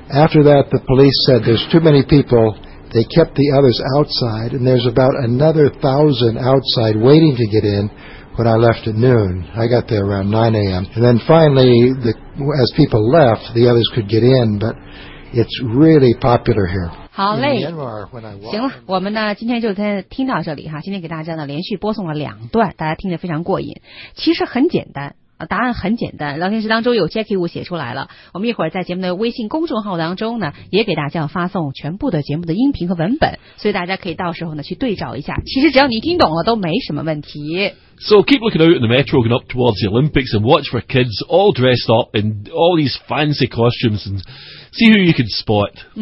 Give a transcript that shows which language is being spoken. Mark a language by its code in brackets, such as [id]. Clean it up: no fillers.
[en] After that, the police said, there's too many people. They kept the others outside, and there's about another 1,000 outside waiting to get in when I left at noon. I got there around 9 a.m. And then finally, as people left, the others could get in, but it's really popular here. [zh] 好嘞, 行了, 我们呢, 今天就听到这里哈, 今天给大家呢连续播送了两段, 大家听得非常过瘾, 其实很简单, 答案很简单, 聊天室当中有Jackie吴写出来了, 我们一会儿在节目的微信公众号当中呢, 也给大家发送全部的节目的音频和文本, 所以大家可以到时候呢去对照一下, 其实只要你听懂了都没什么问题。 [en] So keep looking out in the metro going up towards the Olympics and watch for kids all dressed up in all these fancy costumes and see who you can spot.